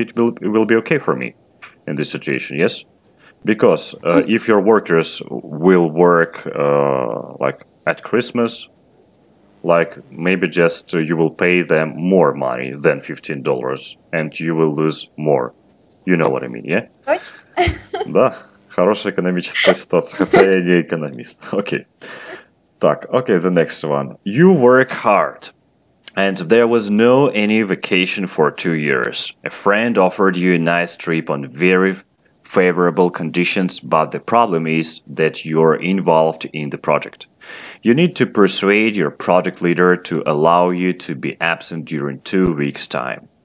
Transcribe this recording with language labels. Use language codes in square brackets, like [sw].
[en] It will be okay for me in this situation, yes? Because if your workers will work like at Christmas, like maybe just you will pay them more money than $15 and you will lose more. You know what I mean, yeah? [ru] Да, хорошая экономическая ситуация, хотя я не экономист. [en] Okay. Так, okay, the next one. You work hard and there was no any vacation for 2 years. A friend offered you a nice trip on very favorable conditions, but the problem is that you're involved in the project. You need to persuade your project leader to allow you to be absent during 2 weeks' time.